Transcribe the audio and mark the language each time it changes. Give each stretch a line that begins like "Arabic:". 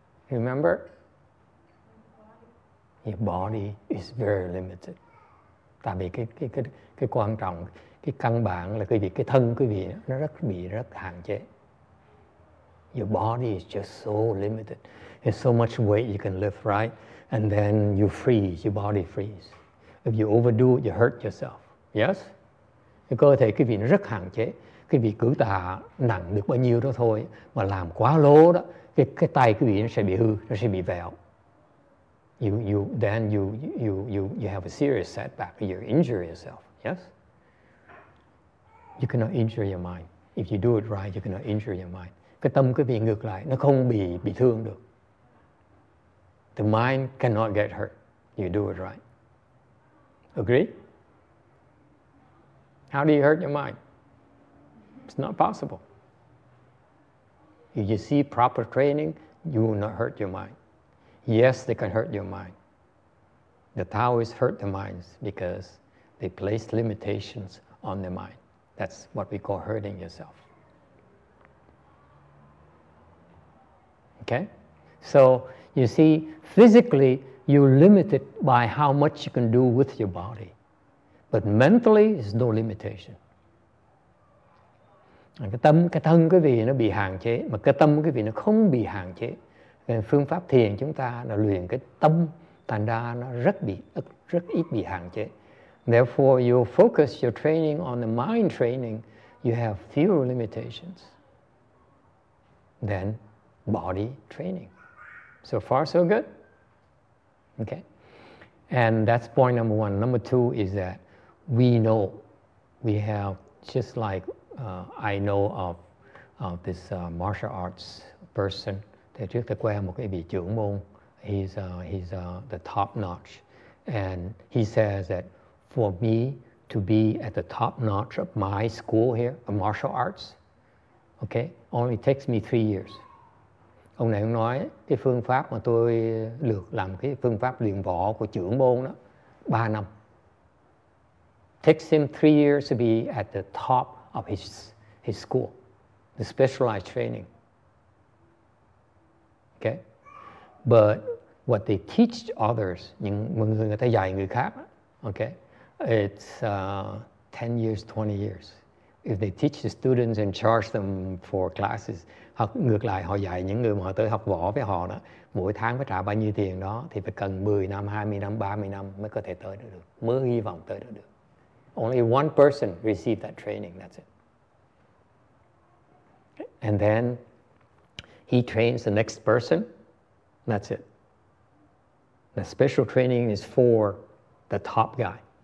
English: Remember? Your body is very limited.
Vietnamese: Tại vì cái quan trọng, cái căn bản là cái thân quý vị nó rất hạn chế.
English: Your body is just so limited. There's so much weight you can lift, right? And then you freeze, your body freeze. If you overdo it, you hurt yourself. Yes?
Vietnamese: Cái cơ thể quý vị nó rất hạn chế. Quý vị cử tạ nặng được bao nhiêu đó thôi. Mà làm quá lố đó, cái tay quý vị nó sẽ bị hư, nó sẽ bị vẹo.
English: You have a serious setback. You injure yourself. Yes. You cannot injure your mind. If you do it right, you cannot injure your mind.
Vietnamese: Cái tâm cứ bị ngược lại, nó không bị thương được.
English: The mind cannot get hurt. You do it right. Agree? How do you hurt your mind? It's not possible. If you see proper training, you will not hurt your mind. Yes, they can hurt your mind. The Taoists hurt the minds because they place limitations on the mind. That's what we call hurting yourself. Okay? So, you see, physically, you're limited by how much you can do with your body. But mentally, there's no limitation.
Vietnamese: Cái thân quý vị nó bị hạn chế, mà cái tâm quý vị nó không bị hạn chế. Phương pháp thiền chúng ta là luyện cái tâm, thành ra nó rất ít bị hạn chế.
English: Therefore, you focus your training on the mind training, you have fewer limitations than body training. So far, so good? Okay. And that's point number one. Number two is that we know, we have, just like I know of this martial arts person,
Vietnamese: trước tôi quen một cái vị trưởng môn,
English: he's the top notch, and he says that for me to be at the top notch of my school here, of martial arts, okay, only takes me 3 years.
Vietnamese: Ông này nói cái phương pháp mà tôi được làm cái phương pháp luyện võ của trưởng môn đó 3 năm.
English: Takes him 3 years to be at the top of his school, the specialized training. Okay, but what they teach others,
Vietnamese: người ta dạy người khác,
English: okay, it's 10 years, 20 years. If they teach the students and charge them for classes,
Vietnamese: hoặc ngược lại họ dạy những người mà họ tới học võ với họ đó, mỗi tháng phải trả bao nhiêu tiền đó, thì phải cần 10 năm, 20 năm, 30 năm mới có thể tới được, mới hy vọng tới được.
English: Only one person received that training, that's it. And then he trains the next person, that's it. The special training is for the top guy.